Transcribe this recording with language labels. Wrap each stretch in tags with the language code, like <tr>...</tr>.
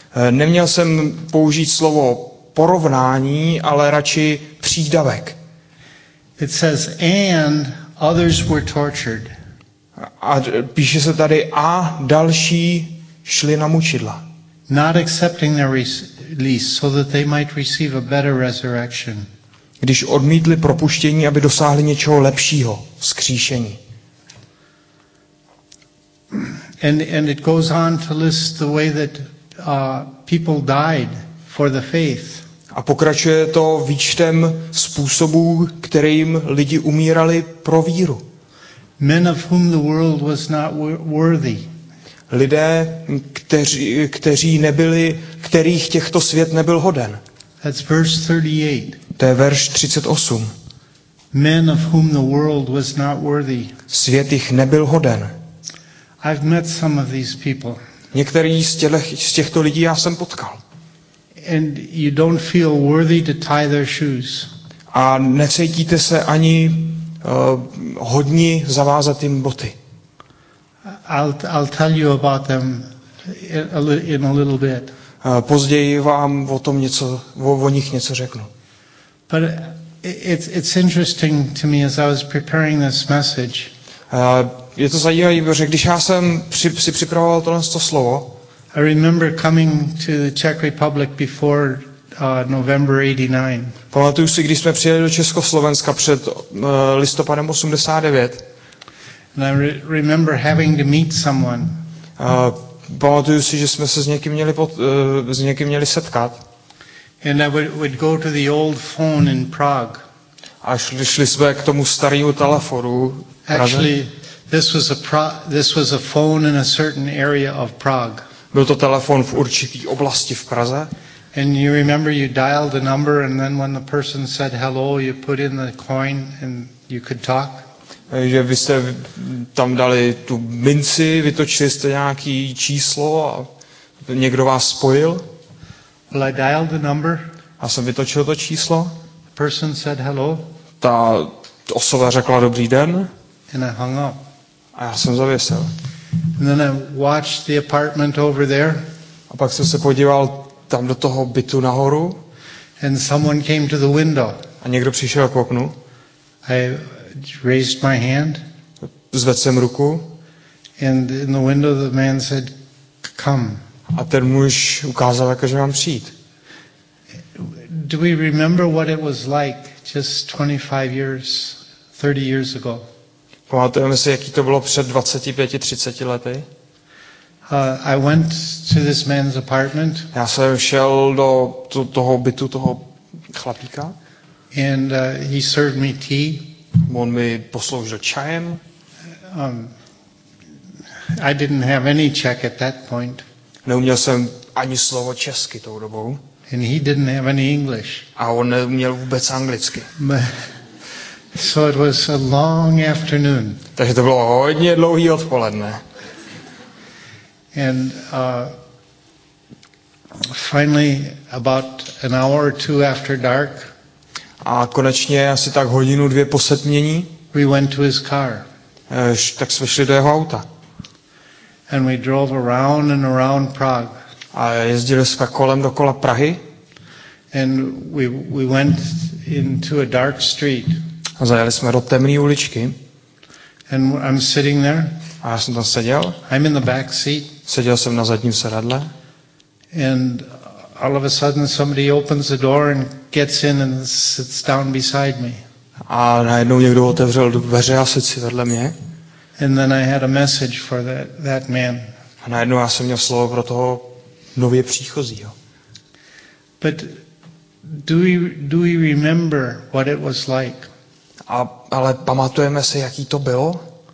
<cs>Neměl jsem použít slovo porovnání, ale radši přídavek.</cs> <en>It says and others were tortured.</en> <cs>A píše se tady a další šli na mučidla.</cs> <en>Not accepting their release so that they might receive a better resurrection.</en> <cs>Když odmítli propuštění, aby dosáhli něčeho lepšího, vzkříšení.</cs> <en>And it goes on to list the way that people died for the faith.</en> <cs>A pokračuje to výčtem způsobů, kterým lidi umírali pro víru.</cs> <en>Men of whom the world was not worthy.</en> <cs>Lidé, kteří nebyli, kterých těchto svět nebyl hoden.</cs> <en>That's verse 38.</en> <cs>To je verš 38.</cs> <en>Men of whom the world was not worthy.</en> <cs>Svět jich nebyl hoden.</cs> <en>I've met some of these people.</en> <cs>Některý z těchto lidí já jsem potkal.</cs> <en>And you don't feel worthy to tie their shoes.</en> <cs>A necítíte se ani hodni zavázat jim boty.</cs> <en>I'll tell you about them in a little bit.</en> <cs>Později vám o tom něco o nich něco řeknu.</cs> <en>But it's interesting to me as I was preparing this message.</en> <cs>Je to zajímavé, protože když já jsem si připravoval tohle slovo.</cs> <en>I remember coming to the Czech Republic before November 89.</en> <cs>Pamatuju si, když jsme přijeli do Československa před listopadem 89.</cs> <en>And I remember having to meet someone.</en> <cs>Pamatuju si, že jsme se s někým měli setkat.</cs> <en>And I would go to the old phone in Prague.</en> <cs>A šli jsme k tomu starému telefonu.</cs> <en>Actually, this was a phone in a certain area of Prague.</en> <cs>Byl to telefon v určité oblasti v Praze.</cs> <en>And you remember you dialed the number and then when the person said hello, you put in the coin and you could talk.</en> <cs>Že vy jste tam dali tu minci, vytočili jste nějaký číslo a někdo vás spojil.</cs> <en>Well, I dialed the number.</en> <cs>A jsem vytočil to číslo.</cs> <en>Person said hello.</en> <cs>Ta osoba řekla dobrý den.</cs> <en>And I hung up.</en> <cs>A já jsem zavěsil.</cs> <en>And then I watched the apartment over there.</en> <cs>A pak jsem se podíval tam do toho bytu nahoru.</cs> <en>And someone came to the window.</en> <cs>A někdo přišel k oknu.</cs> <en>I raised my hand.</en> <cs>Zvedl jsem ruku.</cs> <en>And in the window the man said, come.</en> <cs>A ten muž ukázal, jakože mám přijít.</cs> <en>Do we remember what it was like just 25 years, 30 years ago?</en> <cs>Pamatujeme si, jaký to bylo před 25, 30 lety?</cs> <en>I went to this man's apartment.</en> <cs>Já jsem šel do toho bytu toho chlapíka.</cs> <en>And he served me tea.</en> <cs>On mi posloužil čajem.</cs> <en>I didn't have any Czech at that point.</en> <cs>Neuměl jsem ani slovo česky tou dobou.</cs> <en>And he didn't have any English.</en> <cs>A on neuměl vůbec anglicky.</cs> <en>So it was a long afternoon.</en> <cs>Takže to bylo hodně dlouhý odpoledne.</cs> <en>And finally, about an hour or two after dark.</en> <cs>A konečně asi tak hodinu dvě po setmění.</cs> <en>We went to his car.</en> <cs>Tak jsme šli do jeho auta.</cs> <en>And we drove around and around Prague.</en> <cs>A jezdili jsme kolem dokola Prahy.</cs> <en>And we went into a dark street.</en> <cs>A zajeli jsme do temné uličky.</cs> <en>And I'm sitting there.</en> <cs>A já jsem tam seděl.</cs> <en>I'm in the back seat.</en> <cs>Seděl jsem na zadním sedadle.</cs> <en>And all of a sudden somebody opens the door and gets in and sits down beside me.</en> <cs>A najednou někdo otevřel dveře a sedl si vedle mě.</cs> <en>And then I had a message for that man.</en> <cs>A najednou já jsem měl slovo pro toho nově příchozího.</cs> <en>But do we remember what it was like?</en> <cs>Ale pamatujeme se, jaký to bylo?</cs>